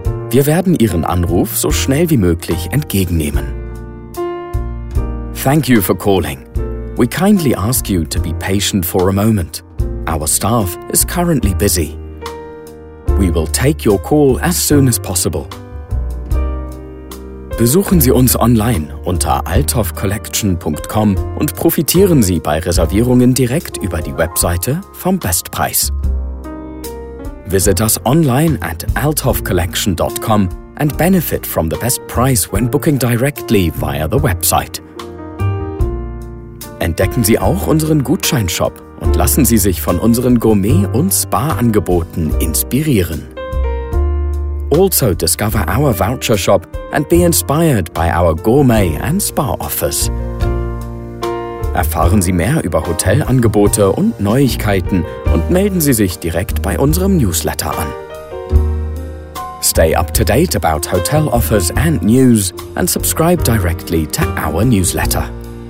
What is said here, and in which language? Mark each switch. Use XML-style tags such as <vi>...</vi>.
<de>Wir werden Ihren Anruf so schnell wie möglich entgegennehmen.</de> <en>Thank you for calling. We kindly ask you to be patient for a moment. Our staff is currently busy. We will take your call as soon as possible.</en> <de>Besuchen Sie uns online unter althoffcollection.com und profitieren Sie bei Reservierungen direkt über die Webseite vom Bestpreis.</de> <en>Visit us online at althoffcollection.com and benefit from the best price when booking directly via the website.</en> <de>Entdecken Sie auch unseren Gutscheinshop und lassen Sie sich von unseren Gourmet- und Spa-Angeboten inspirieren.</de> <en>Also discover our voucher shop and be inspired by our gourmet and spa offers.</en> <de>Erfahren Sie mehr über Hotelangebote und Neuigkeiten und melden Sie sich direkt bei unserem Newsletter an.</de> <en>Stay up to date about hotel offers and news and subscribe directly to our newsletter.</en>